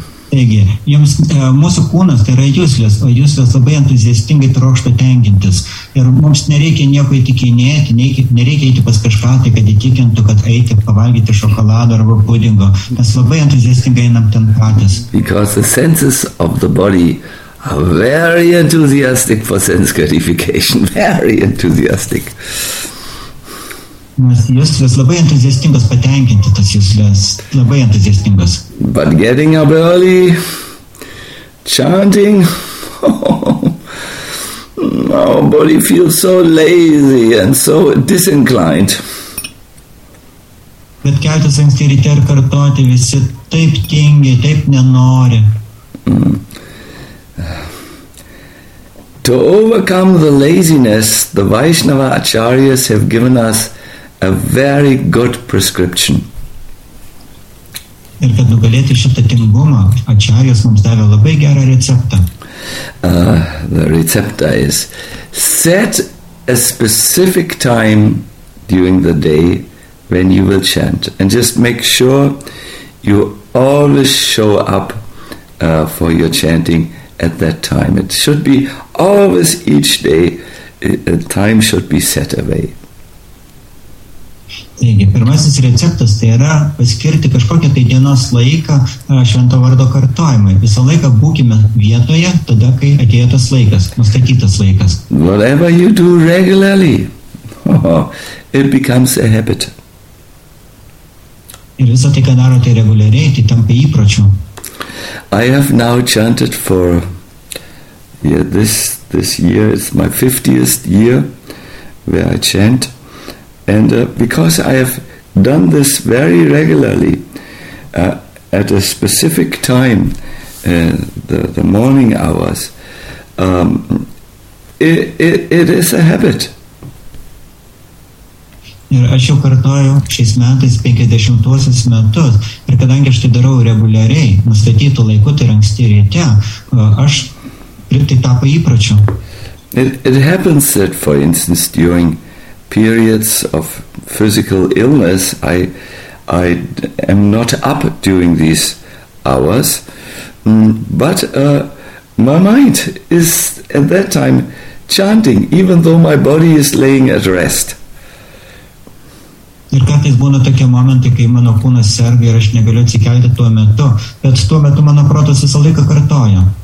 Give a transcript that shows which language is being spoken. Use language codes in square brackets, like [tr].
[lt] Taigi, jums, mūsų kūnas tai yra jūslės, o jūslės labai entuziastingai trokšta tenkintis. Ir mums nereikia nieko įtikinėti, nereikia eiti pas kažką, tai kad įtikintų, kad eiti pavalgyti šokolado arba pudingo. Mes labai entuziastingai einam ten patys. [en] Because the senses of the body are very enthusiastic for sense gratification. Very enthusiastic. [lt] Nes jūslės labai entuziastingas patenkinti tas jūslės, labai entuziastingas. [en] But getting up early, chanting, our body feels so lazy and so disinclined. [lt] Bet keltis anksti ryte ir kartoti, visi taip tingi, taip nenori. [en] To overcome the laziness, the Vaishnava Acharyas have given us a very good prescription. [lt] Ir kad nugalėti šitą tingumą, Acharyas mums davė labai gerą receptą. [en] The recept is set a specific time during the day when you will chant and just make sure you always show up for your chanting at that time. It should be always each day, a time should be set away. [lt] Taigi, pirmasis receptas tai yra paskirti kažkokią tai dienos laiką švento vardo kartojimai. Visą laiką būkime vietoje, tada, kai atėjo tas laikas, nustatytas laikas. [en] Whatever you do regularly, it becomes a habit. [lt] Ir visą tai, ką darote reguliariai, tai tampa įpročiu. [en] I have now chanted for, this year is my 50th year where I chant. And because I have done this very regularly, at a specific time, the morning hours, it is a habit. [lt] Ir aš jau kartoju šiais metais 50-osius metus, ir kadangi aš tai darau reguliariai, nustatytų laiku, tai anksti ryte, aš tai tapo įpročiu. [en] It happens that, for instance, during periods of physical illness, I am not up during these hours, but my mind is at that time chanting, even though my body is laying at rest. [lt] Ir kartais būna tokie momentai, kai mano kūnas serga ir aš negaliu atsikelti tuo metu, bet tuo metu mano protas visą laiką kartoja.